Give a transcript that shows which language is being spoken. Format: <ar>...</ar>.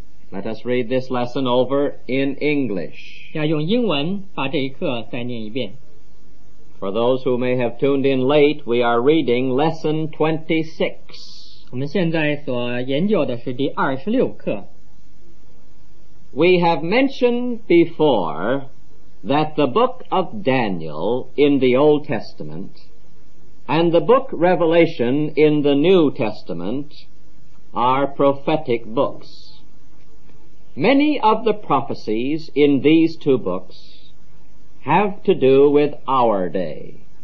<en>Let us read this lesson over in English.</en> <zh>要用英文把这一课再念一遍。</zh> <en>For those who may have tuned in late, we are reading lesson 26.</en> <zh>我们现在所研究的是第26课。</zh> <en>We have mentioned before that the book of Daniel in the Old Testament and the book Revelation in the New Testament are prophetic books. Many of the prophecies in these two books have to do with our day.</en>